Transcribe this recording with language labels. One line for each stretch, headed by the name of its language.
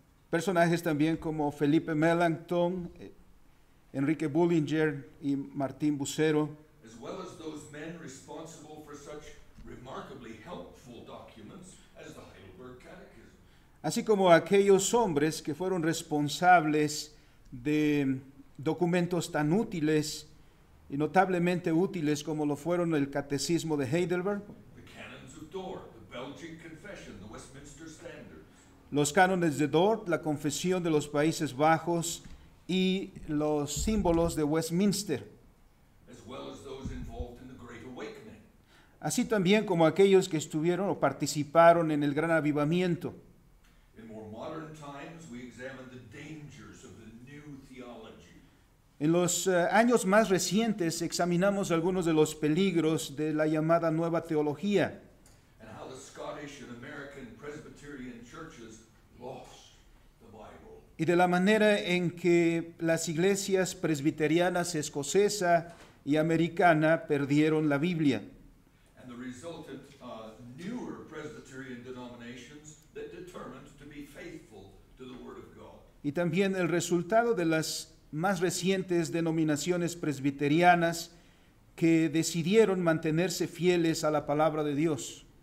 Spanish: personajes también como Felipe Melanchthon, Enrique Bullinger y Martín Bucero,
English: as well as those men responsible for such remarkably helpful documents as the Heidelberg Catechism.
Spanish: Así como aquellos hombres que fueron responsables de documentos tan útiles y notablemente útiles como lo fueron el Catecismo de Heidelberg,
English: the Canons of Dort, the Belgian Confession, the Westminster Standards,
Spanish: los Cánones de Dort, la Confesión de los Países Bajos y los símbolos de Westminster,
English: as well as those involved in the Great Awakening,
Spanish: así también como aquellos que estuvieron o participaron en el Gran Avivamiento.
English: In more modern times, we examine the dangers of the new theology.
Spanish: En los años más recientes examinamos algunos de los peligros de la llamada Nueva Teología.
English: And how the Scottish and American Presbyterian churches lost.
Spanish: Y de la manera en que las iglesias presbiterianas escocesa y americana perdieron la Biblia.
English: And the resultant, newer Presbyterian denominations that determined to be faithful to the Word of God.
Spanish: Y también el resultado de las más recientes denominaciones presbiterianas que decidieron mantenerse fieles a la palabra de Dios.